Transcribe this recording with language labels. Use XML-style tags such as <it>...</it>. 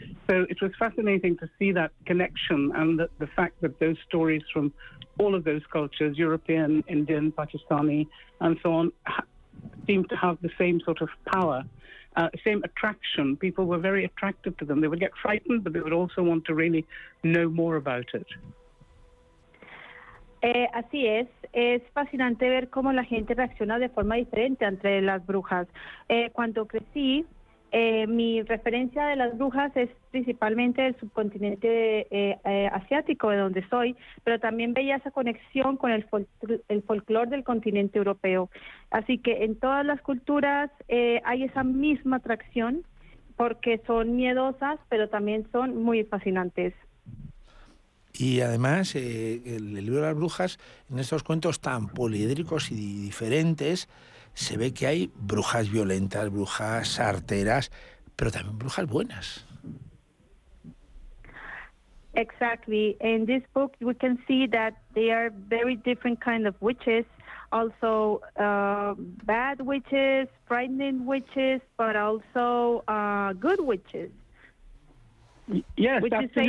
<en>So it was fascinating to see that connection and the fact that those stories from all of those cultures, European, Indian, Pakistani, and so on, seemed to have the same sort of power. Same attraction. People were very attracted to them. They would get frightened, but they would also want to really know more about it.</en> <es>Así es. Es fascinante ver cómo la gente reacciona de forma diferente entre las brujas. Cuando crecí, mi referencia de las brujas es principalmente del subcontinente asiático, de donde soy, pero también veía esa conexión con el folclor del continente europeo. Así que en todas las culturas hay esa misma atracción, porque son miedosas, pero también son muy fascinantes. Y además, el libro de las brujas, en estos cuentos tan poliédricos y diferentes, se ve que hay brujas violentas, brujas arteras, pero también brujas buenas.</es> <en>Exactly. In this book, we can see that they are very different kind of witches. Also, bad witches, frightening witches, but also good witches. Yes, would absolutely.</en>